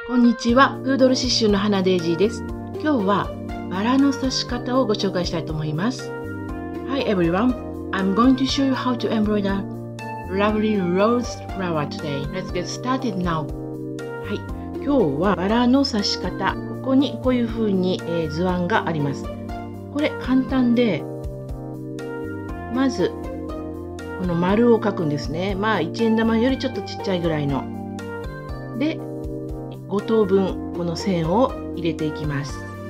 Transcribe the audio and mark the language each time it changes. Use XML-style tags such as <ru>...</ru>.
<ja>こんにちは、プードル刺繍の花デイジーです。今日はバラの刺し方をご紹介したいと思います。</ja> <en>Hi everyone, I'm going to show you how to embroider lovely rose flower today. Let's get started now.</en> <ja>はい、今日はバラの刺し方、ここにこういう風に、図案があります。これ簡単で、まずこの丸を描くんですね。まあ1円玉よりちょっとちっちゃいぐらいので、5等分この線を入れていきます。</ja>